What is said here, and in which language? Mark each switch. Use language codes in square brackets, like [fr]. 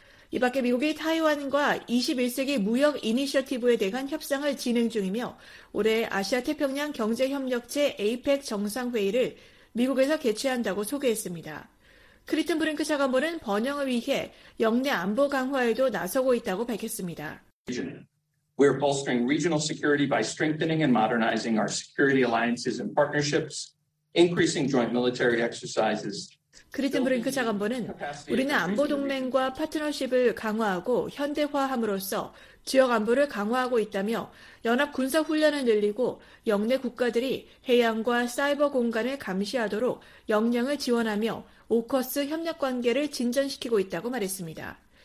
[ko] 이 밖에 미국이 타이완과 21세기 무역 이니셔티브에 대한 협상을 진행 중이며 올해 아시아태평양 경제협력체 APEC 정상회의를 미국에서 개최한다고 소개했습니다. 크리튼 브링크 차관보는 번영을 위해 역내 안보 강화에도 나서고 있다고 밝혔습니다. [en] We're bolstering regional security by strengthening and modernizing our security alliances and partnerships, increasing joint military exercises. [ko] 크리튼 브링크 차관보는 우리는 안보 동맹과 파트너십을 강화하고 현대화함으로써 지역 안보를 강화하고 있다며 연합 군사 훈련을 늘리고 역내 국가들이 해양과 사이버 공간을 감시하도록 역량을 지원하며 오커스 협력 관계를 진전시키고 있다고 말했습니다.